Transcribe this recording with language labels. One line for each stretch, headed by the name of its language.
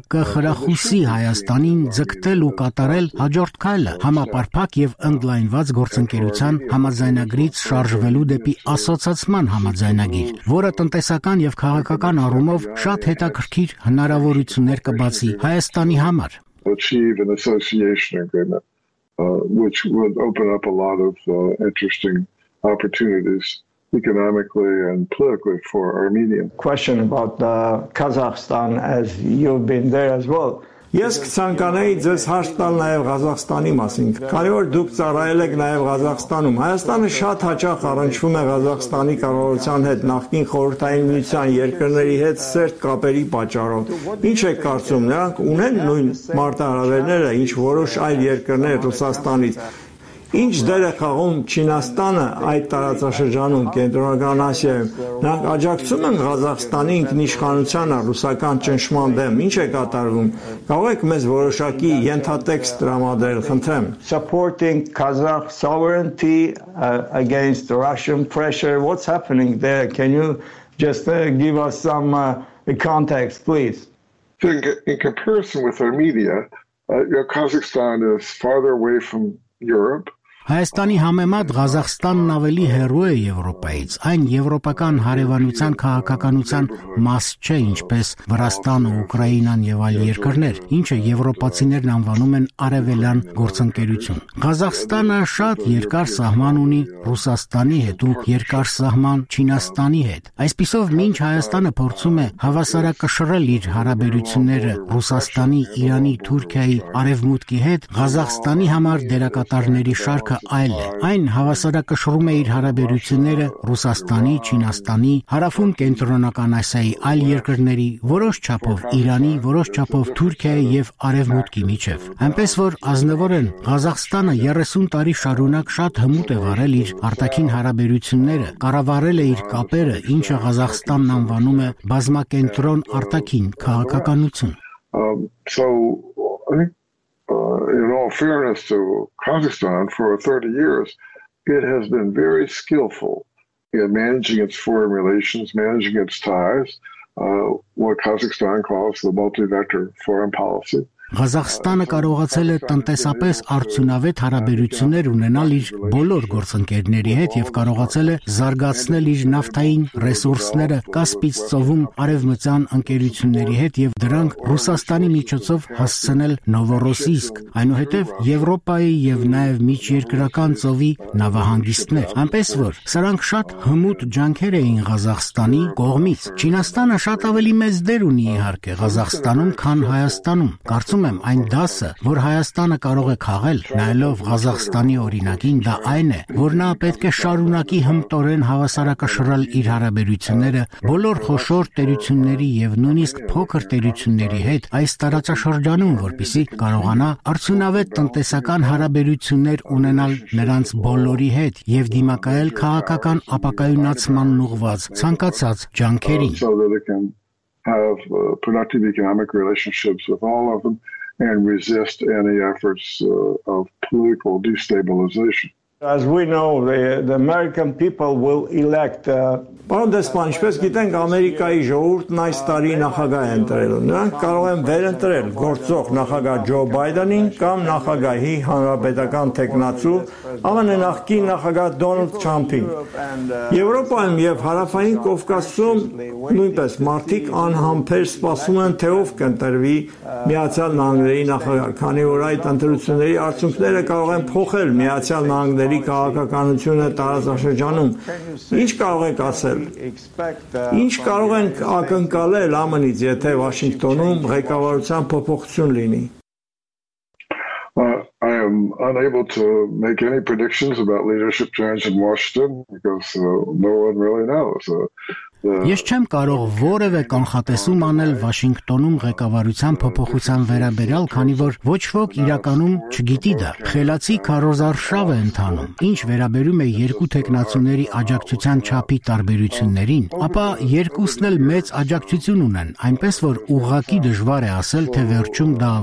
Armenian: կխրախուսի Հայաստանին ձգտել ու կատարել հաջորդ քայլը՝ համապարփակ եւ ընդլայնված գործընկերության համաձայնագրից շարժվելու դեպի ասոցացման համաձայնագիր, որը տնտեսական եւ քաղաքական առումով շատ հետաքրքիր հնարավոր ուներ կբացի Հայաստանի համար.
English: Achieve an association agreement which would open up a lot of interesting opportunities economically and politically for Armenia. Question about Kazakhstan, as you've been there as well.
Armenian: Ես ցանկանայի ձեզ հարց տալ նաև Ղազախստանի մասին։ Քանի որ դուք ծառայել եք նաև Ղազախստանում, Հայաստանը շատ հաճախ առնչվում է Ղազախստանի կառավարության հետ նախկին խորհրդային միության երկրների հետ սերտ կապերի պատճառով։ Ինչ եք կարծում, նրանք ունեն նույն մարտահրավերները, ինչ որոշ այլ երկրներ Ռուսաստանից։ Ինչ դեր է խաղում Չինաստանը այդ տարածաշրջանում, Կենտրոնական Ասիայում, նրանք աջակցում են Ղազախստանի ինքնիշխանության ռուսական ճնշման դեմ, ինչ է կատարվում, կարող եք մեզ որոշակի ենթատեքստ տրամադրել, խնդրեմ.
English: Supporting Kazakh sovereignty against Russian pressure, what's happening there? Can you just give us some context, please? In comparison with Armenia, Kazakhstan is farther away from Europe.
Armenian: Հայաստանի համեմատ Ղազախստանն ավելի հեռու է Եվրոպայից, այն եվրոպական հարևանության քաղաքականության մաս չէ, ինչպես Վրաստանը, Ուկրաինան եւ այլ երկրներ, ինչը եվրոպացիներն անվանում են արևելյան գործընկերություն։ Ղազախստանը շատ երկար սահման ունի Ռուսաստանի հետ ու երկար սահման Չինաստանի հետ։ Այսպիսով, մինչ Հայաստանը փորձում է հավասարակշռել իր հարաբերությունները Ռուսաստանի, Իրանի, Թուրքիայի արևմուտքի հետ, Ղազախստանի համար դերակատարների շարք այլ է, այն հավասարակշռում է իր հարաբերությունները Ռուսաստանի, Չինաստանի, հարավում Կենտրոնական Ասիայի այլ երկրների, որոշ չափով Իրանի, որոշ չափով Թուրքիայի եւ Արևմուտքի միջև։ Այնպես որ ազնվորեն Ղազախստանը 30 տարի շարունակ շատ հմուտ է վարել իր արտաքին հարաբերությունները, կառավարել է իր կապերը, ինչը Ղազախստանն անվանում է բազմակենտրոն արտաքին քաղաքականություն։
English: In all fairness to Kazakhstan, for 30 years, it has been very skillful in managing its foreign relations, managing its ties, what Kazakhstan calls the multi-vector foreign policy.
Armenian: Ղազախստանը կարողացել է տնտեսապես արդյունավետ հարաբերություններ ունենալ իր բոլոր գործընկերների հետ եւ կարողացել է զարգացնել իր նավթային ռեսուրսները Կասպից ծովում արևմտյան ընկերությունների հետ եւ դրանք Ռուսաստանի միջոցով հասցնել Նովորոսիսկ, այնուհետեւ Եվրոպայի եւ նաեւ միջերկրական ծովի նավահանգիստներ։ Այնպես որ սրանք շատ հմուտ ջանքեր էին Ղազախստանի կողմից։ Չինաստանը շատ ավելի մեծ դեր ունի իհարկե Ղազախստանում, քան Հայաստանում։ Կարծում եմ, այն դասը, որ Հայաստանը կարող է քաղել, նայելով Ղազախստանի օրինակին, դա այն է, որ նա պետք է շարունակի հմտորեն հավասարակշռել իր հարաբերությունները բոլոր խոշոր տերությունների եւ նույնիսկ փոքր տերությունների հետ այս տարածաշրջանում, որպեսզի կարողանա արդյունավետ տնտեսական հարաբերություններ ունենալ նրանց բոլորի հետ եւ դիմակայել քաղաքական ապակայունացման ուղված ցանկացած ջանքերին։
English: Have productive economic relationships with all of them and resist any efforts of political destabilization. As we know, the American people will elect
Armenian: Պարոն Դեսպան, ինչպես գիտենք, Ամերիկայի ժողովուրդն այս տարի նախագահ է ընտրել։ Նրանք կարող են վերընտրել գործող նախագահ Ջո Բայդենին կամ նախագահի հանրապետական թեկնածու ԱՄՆ նախկին նախագահ Դոնալդ Թրամփին։ Եվրոպայում եւ հարավային Կովկասում նույնպես մարդիկ անհամբեր սպասում են, թե ով կընտրվի Միացյալ Նահանգների նախագահ, քանի որ այդ ընտրությունների արդյունքները կարող են փոխել Միացյալ Նահանգների քաղաքականությունը տարածաշրջանում։ Ինչ կարող ենք ասել, ինչ կարող են ակնկալել ԱՄՆ-ից, եթե Վաշինգտոնում ղեկավարության փոփոխություն լինի։
English: I am unable to make any predictions about leadership change in Washington because no one really knows.
Armenian: Ես չեմ կարող որևէ կանխատեսում անել Վաշինգտոնում ղեկավարության փոփոխության վերաբերյալ, քանի որ ոչ ոք իրականում չգիտի դա։ Խելացի քարոզարշավ է ընթանում։ Ինչ վերաբերում է երկու տեխնացուների աջակցության չափի տարբերություններին, ապա երկուսն էլ մեծ աջակցություն ունեն, այնպես որ ուղղակի դժվար է ասել, թե վերջում դա